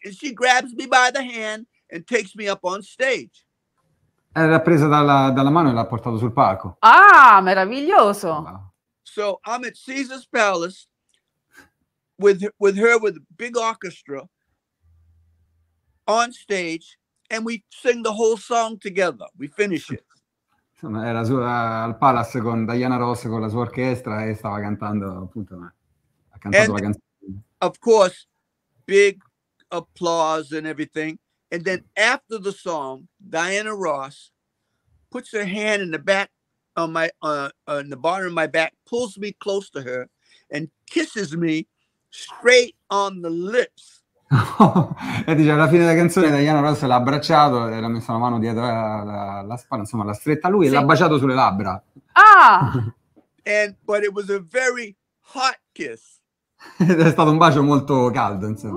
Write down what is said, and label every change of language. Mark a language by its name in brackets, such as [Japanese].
[English] And she grabs me by the hand and takes me up on stage. [Italian] Era presa dalla mano e l'ha portato sul palco. Ah, meraviglioso! [English] So I'm at Caesar's Palace with her with a big orchestra on stage, and we sing the whole song together. We finish it. [Italian] Insomma, era al Palace con Diana Ross con la sua orchestra e stava cantando, appunto, ha cantato la canzone. [English] Of course, big applause and everything. And then after the song, Diana Ross puts her hand in the back on my in the bottom of my back, pulls me close to her, and kisses me straight on the lips. [Italian] E dice alla fine della canzone Diana Ross l'ha abbracciato e l'ha messo la mano dietro la spalla, insomma l'ha stretta lui, sì, e l'ha baciato sulle labbra. Ah! [English] And, but it was a very hot kiss. [Italian] Ed è stato un bacio molto caldo, insomma.